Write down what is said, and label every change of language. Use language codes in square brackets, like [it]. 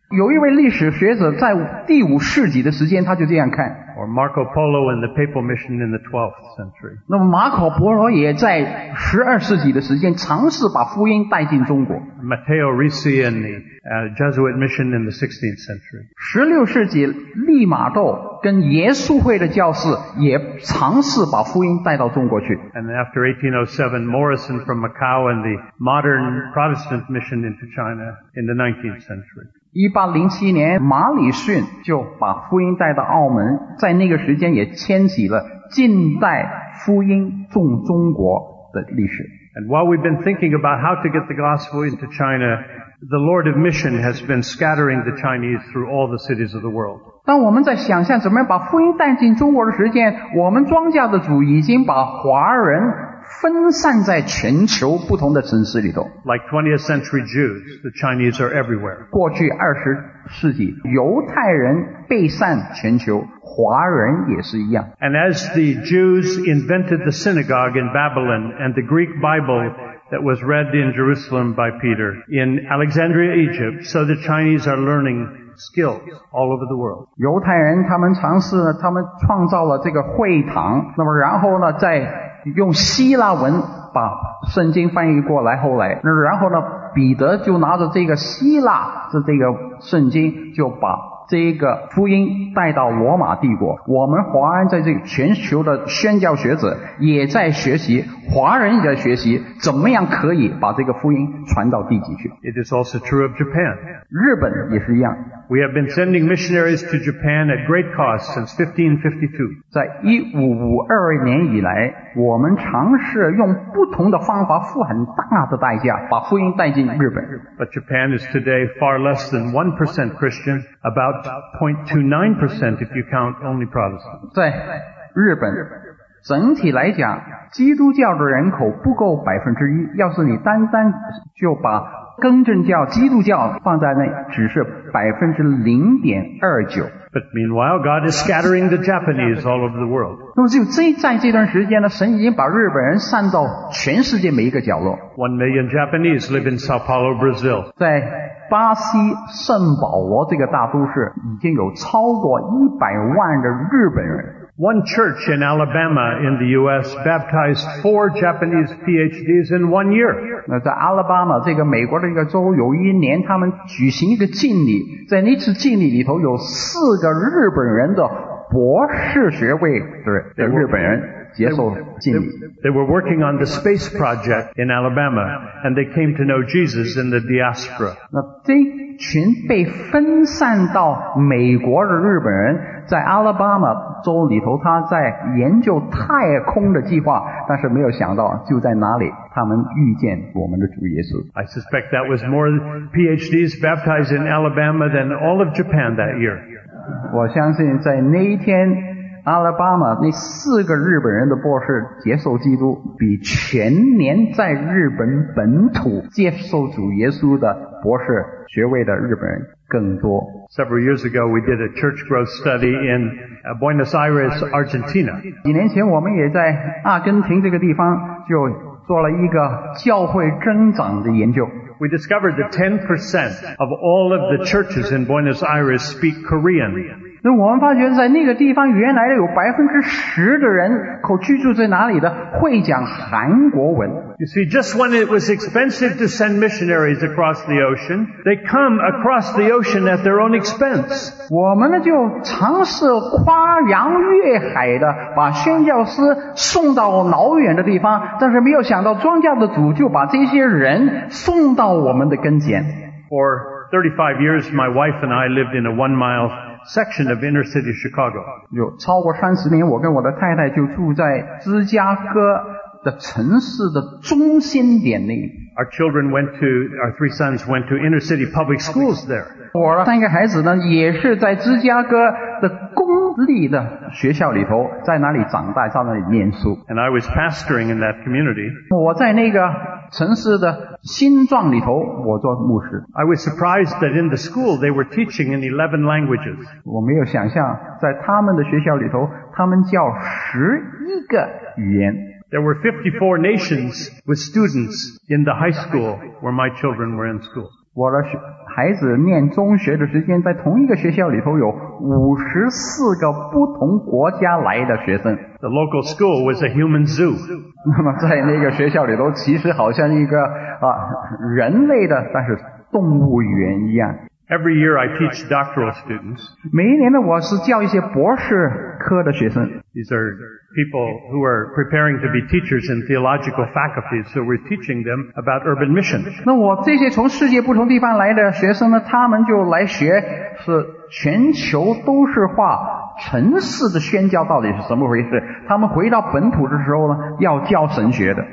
[zh] 有一位历史学者在第五世纪的时间他就这样看 [en] or Marco Polo and the papal mission in the 12th century [zh] 那么马可波罗也在12世纪的时间尝试把福音带进中国 [en] Matteo Ricci and the Jesuit mission in the 16th century [zh] 16世纪利玛窦跟耶稣会的教士也尝试把福音带到中国去 [en] and after 1807 Morrison from Macau and the modern Protestant mission into China in the 19th century [zh] 1807年马里逊就把福音带到澳门在那个时间也牵起了近代福音重中国的历史 [en] And while we've been thinking about how to get the gospel into China the Lord of Mission has been scattering the Chinese through all the cities of the world [zh] 当我们在想象怎么样把福音带进中国的时间我们庄稼的主已经把华人分散在全球不同的城市里头。 [en] Like 20th century Jews, the Chinese are everywhere. [zh] 过去20世纪，犹太人被散全球，华人也是一样。 [en] And as the Jews invented the synagogue in Babylon and the Greek Bible that was read in Jerusalem by Peter in Alexandria, Egypt, so the Chinese are learning skills all over the world. [zh] 犹太人他们尝试了，他们创造了这个会堂，那么然后呢，在用希腊文把圣经翻译过来后来然后呢彼得就拿着这个希腊的这个圣经就把这个福音带到罗马帝国我们华人在这个全球的宣教学者也在学习华人也在学习怎么样可以把这个福音传到地极去 [en] It is also true of Japan [zh] 日本也是一样 [en] We have been sending missionaries to Japan at great cost since 1552 [zh] 在1552年以来我们尝试用不同的方法付很大的代价把福音带进日本 [en] But Japan is today far less than 1% Christian about 0.29% if you count only Protestant [zh] 在日本整体来讲基督教的人口不够1%要是你单单就把更正教基督教放在那只是0.29% [en] But meanwhile, God is scattering the Japanese all over the world. [zh] 那么就在这段时间呢神已经把日本人散到全世界每一个角落 [en] 1 million Japanese live in Sao Paulo, Brazil. [zh] 在巴西圣保罗这个大都市已经有超过100万的日本人 [en] One church in Alabama in the U.S. baptized 4 Japanese PhDs in 1 year. [zh] 那在 Alabama 这个美国的一个州，有一年他们举行一个敬礼，在那次敬礼里头有四个日本人的博士学位的日本人。 [en] They were working on the space project in Alabama, and they came to know Jesus in the diaspora. [zh] 那这群被分散到美国的日本人，在 Alabama 州里头，他在研究太空的计划，但是没有想到就在哪里，他们遇见我们的主耶稣。 [en] I suspect that was more PhDs baptized in Alabama than all of Japan that year. [zh] 我相信在那一天阿拉巴马那四个日本人的博士接受基督比全年在日本本土接受主耶稣的博士学位的日本人更多 [en] Several years ago we did a church growth study in Buenos Aires, Argentina [zh] 几年前我们也在阿根廷这个地方就做了一个教会增长的研究 [en] We discovered that 10% of all of the churches in Buenos Aires speak Korean [zh] 那我们发觉在那个地方原来有 10% 的人口居住在哪里的会讲韩国文。 [en] You see, just when it was expensive to send missionaries across the ocean, they come across the ocean at their own expense. [zh] 我们呢就尝试跨洋越海的把宣教师送到老远的地方，但是没有想到庄稼的主就把这些人送到我们的跟前。 [en] For 35 years, my wife and I lived in a 1 mile section of inner city Chicago. [zh] 有超过30年，我跟我的太太就住在芝加哥的城市的中心点内。 [en] Our children went to, our three sons went to inner city public schools there. [zh] 我三个孩子呢也是在芝加哥的公立的学校里头，在那里长大，在那里念书。 [en] And I was pastoring in that community. [zh] 我在那个城市的新庄里头，我做牧师。 [en] I was surprised that in the school they were teaching in 11 languages. [zh] 我没有想象在他们的学校里头，他们教11个语言。 [en] There were 54 nations with students in the high school where my children were in school. [zh] 我的孩子念中学的时间在同一个学校里头有54个不同国家来的学生。 [en] The local school was a human zoo. [zh] 那么在那个学校里头其实好像一个人类的但是动物园一样。 [en] Every year I teach doctoral students. [zh] 每一年呢我是教一些博士科的学生。 [en] These are people who are preparing to be teachers in theological faculties, so we're teaching them about urban mission. [zh] 那我这些从世界不同地方来的学生呢，他们就来学是全球都市化城市的宣教到底是什么回事？他们回到本土的时候呢，要教神学的。